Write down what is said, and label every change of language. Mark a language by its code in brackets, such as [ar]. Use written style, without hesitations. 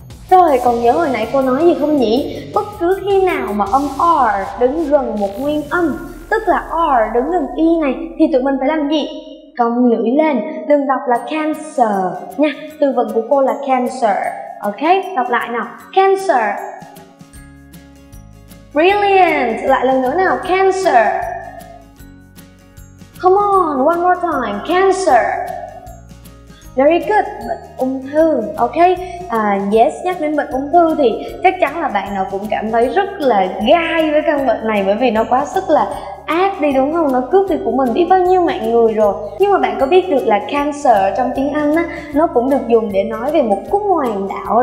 [vi] Rồi, còn nhớ hồi nãy cô nói gì không nhỉ? Bất cứ khi nào mà âm R đứng gần một nguyên âm, tức là R đứng gần Y này, thì tụi mình phải làm gì? Cong lưỡi lên, đừng đọc là cancer nha. Từ vựng của cô là cancer. Ok, đọc lại nào, cancer. [en] Brilliant, [vi] lại lần nữa nào, cancer. [en] Come on, one more time, cancer. Very good, [vi] bệnh ung thư, ok. Yes, nhắc đến bệnh ung thư thì chắc chắn là bạn nào cũng cảm thấy rất là gai với căn bệnh này, bởi vì nó quá sức là ác đi đúng không? Nó cướp đi của mình biết bao nhiêu mạng người rồi. Nhưng mà bạn có biết được là cancer trong tiếng Anh á, nó cũng được dùng để nói về một cung hoàng đạo.